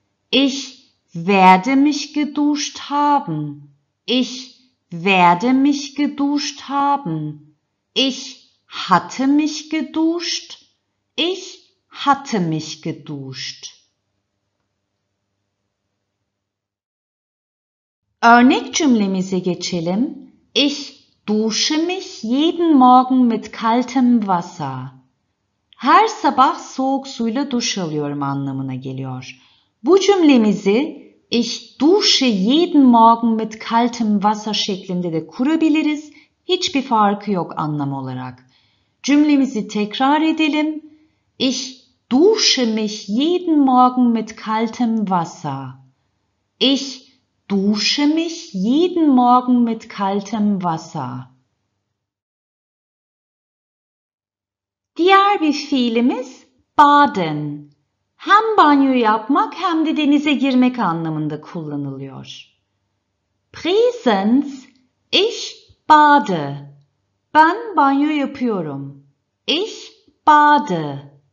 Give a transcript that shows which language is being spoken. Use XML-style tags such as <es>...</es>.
<de>Ich werde mich geduscht haben. Ich werde mich geduscht haben. Ich hatte mich geduscht. Ich hatte mich geduscht.</de> <tr>Örnek cümlemize geçelim.</tr> <de>Ich dusche mich jeden Morgen mit kaltem Wasser.</de> <tr>Her sabah soğuk suyla duş alıyorum anlamına geliyor. Bu cümlemizi</tr> <de>ich dusche jeden Morgen mit kaltem Wasser</de> <tr>şeklinde de kurabiliriz. Hiçbir farkı yok anlam olarak. Cümlemizi tekrar edelim.</tr> <de>Ich dusche mich jeden Morgen mit kaltem Wasser. Ich dusche mich jeden Morgen mit kaltem Wasser.</de> <tr>diğer bir fiilimiz baden. Hem banyo yapmak hem de denize girmek anlamında kullanılıyor.</tr> <de>Präsens, ich bade.</de> <tr>Ben banyo yapıyorum.</tr> <de>Ich bade.</de>